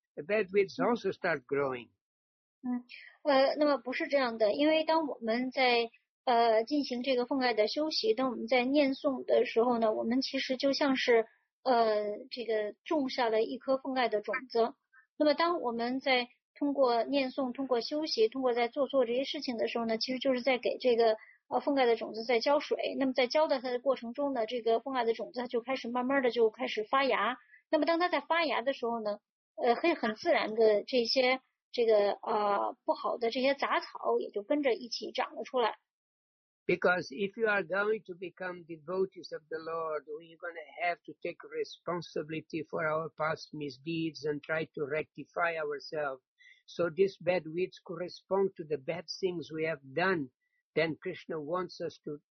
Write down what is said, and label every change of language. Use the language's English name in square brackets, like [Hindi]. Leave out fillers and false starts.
[English] The bad weeds also start growing. [Chinese] 那么不是这样的，因为当我们在进行这个奉爱的修习，当我们在念诵的时候呢，我们其实就像是这个种下了一颗奉爱的种子。那么当我们在通过念诵、通过修习、通过在做这些事情的时候呢，其实就是在给这个奉爱的种子在浇水。那么在浇的它的过程中呢，这个奉爱的种子它就开始慢慢的就开始发芽。那么当它在发芽的时候呢，可以很自然的这些这个不好的这些杂草也就跟着一起长了出来。 [English] Because if you are going to become devotees of the Lord, we're going to have to take responsibility for our past misdeeds and try to rectify ourselves. So these bad weeds correspond to the bad things we have done. Then Krishna wants us to